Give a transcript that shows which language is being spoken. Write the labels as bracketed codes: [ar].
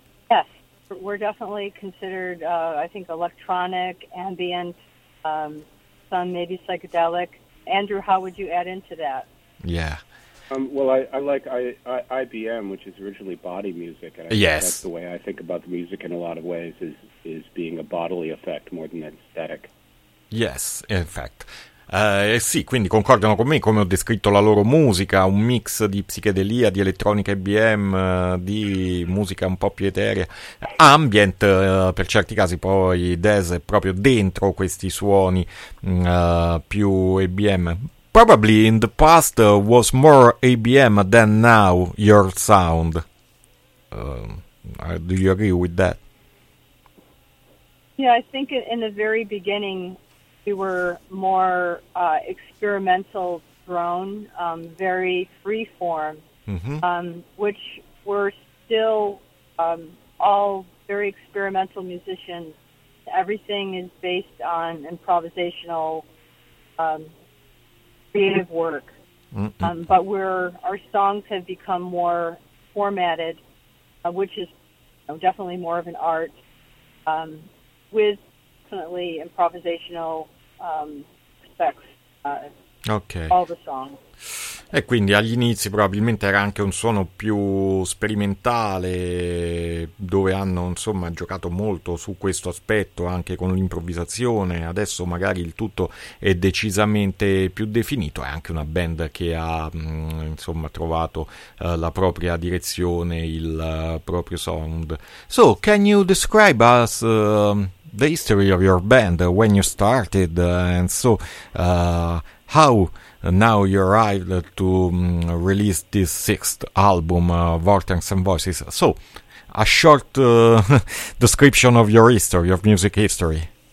[en] Yes, we're definitely considered, I think, electronic, ambient, some maybe psychedelic. Andrew, how would you add into that? Yeah. Well, I like IBM, which is originally body music, and yes, that's the way I think about the music in a lot of ways, is being a bodily effect more than an aesthetic. Yes, in fact. [it] Sì, quindi concordano con me come ho descritto la loro musica, un mix di psichedelia, di elettronica IBM, di musica un po' più eterea, ambient per certi casi, poi Dez è proprio dentro questi suoni più IBM. [en] Probably in the past was more ABM than now your sound. Do you agree with that? Yeah, I think in the very beginning we were more experimental drone, very freeform, which we're still all very experimental musicians. Everything is based on improvisational creative work, but our songs have become more formatted, which is definitely more of an art, with definitely improvisational aspects. Okay. All the songs. [it] E quindi agli inizi probabilmente era anche un suono più sperimentale, dove hanno insomma giocato molto su questo aspetto anche con l'improvvisazione. Adesso magari il tutto è decisamente più definito. È anche una band che ha insomma trovato la propria direzione, il proprio sound. [en] So can you describe us the history of your band, when you started, and so how now you arrived to release this sixth album, Vortex and Voices. So, a short description of your history, of music history.